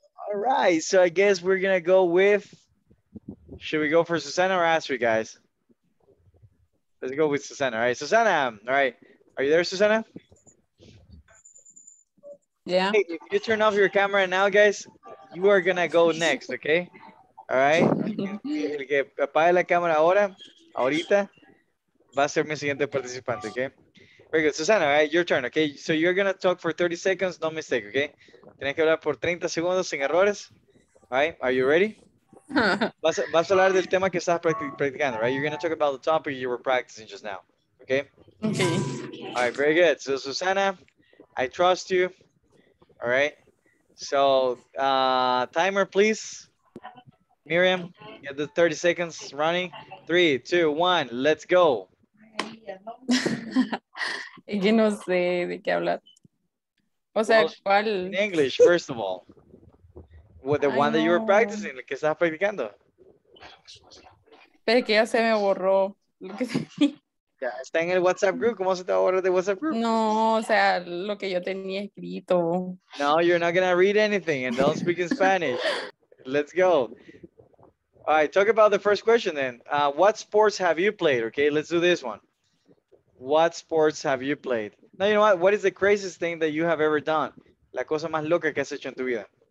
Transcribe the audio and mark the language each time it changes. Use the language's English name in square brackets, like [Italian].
[English] All right, so I guess we're gonna go with, should we go for Susana or Astrid, guys? Let's go with Susana, all right? Susana, all right. Are you there, Susana? Yeah. Hey, if you turn off your camera now, guys, you are gonna go next, okay? All right. [Spanish] El que apague la cámara ahora, ahorita, va a ser mi siguiente participante, okay? [English] Very good. Susana, all right, your turn, okay? So you're going to talk for 30 seconds, no mistake, okay? [Spanish] Tienes que hablar por 30 segundos sin errores. [English] All right, are you ready? [Spanish] Vas a hablar del tema que estás practicando, [English] right? You're going to talk about the topic you were practicing just now, okay? Okay. All right, very good. So Susana, I trust you, all right? So timer, please. Miriam, get the 30 seconds running. 3, 2, 1, let's go. [Spanish] Yo no sé de qué hablar. O sea, well, ¿cuál? [English] In English, first of all. With the one that you were practicing, [Spanish] que estabas practicando. Pero que ya se me borró. Está en el WhatsApp group. ¿Cómo se te va a borrar de WhatsApp group? No, o sea, lo que yo tenía escrito. [English] No, you're not going to read anything and don't speak in Spanish. Let's go. All right, talk about the first question then. What sports have you played? Okay, let's do this one. What sports have you played? Now, you know what? What is the craziest thing that you have ever done? [Spanish] La cosa más loca que has hecho en tu vida.